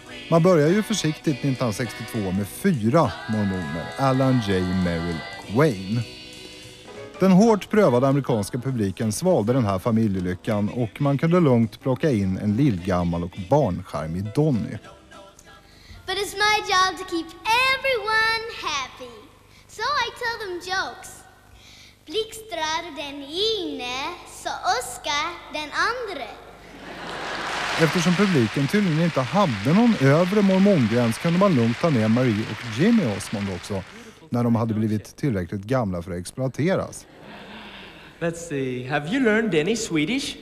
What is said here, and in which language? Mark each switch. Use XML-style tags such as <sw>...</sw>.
<sv>Man börjar ju försiktigt 1962 med 4 mormoner, Alan J. Merrill och Wayne. Den hårt prövade amerikanska publiken svalde den här familjelyckan och man kunde lugnt plocka in en lillgammal och barnskärmig Donny.</sv> <en>But it's my job to keep everyone happy. So I tell them jokes.</en> <sv>Blixtrar den ene, så Oskar den andre. Eftersom publiken tydligen inte hade någon övre mormongräns kunde man lugnt ta med Marie och Jimmy Osmond också, när de hade blivit tillräckligt gamla för att exploateras.</sv> <en>Let's see, have you learned any Swedish?</en>